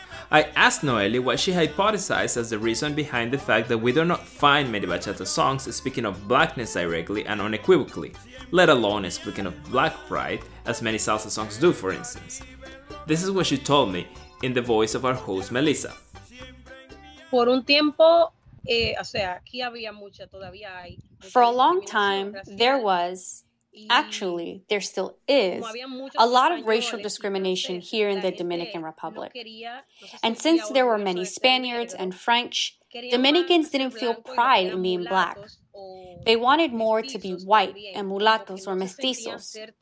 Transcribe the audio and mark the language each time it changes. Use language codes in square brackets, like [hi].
[en] I asked Noely what she hypothesized as the reason behind the fact that we do not find many bachata songs speaking of blackness directly and unequivocally, let alone speaking of black pride, as many salsa songs do, for instance. This is what she told me in the voice of our host Melissa. [es] Por un tiempo, o sea, aquí había mucha, todavía hay. [en] For a long time, there was, actually, there still is, a lot of racial discrimination here in the Dominican Republic. And since there were many Spaniards and French, Dominicans didn't feel pride in being black. They wanted more to be white and mulatos or mestizos.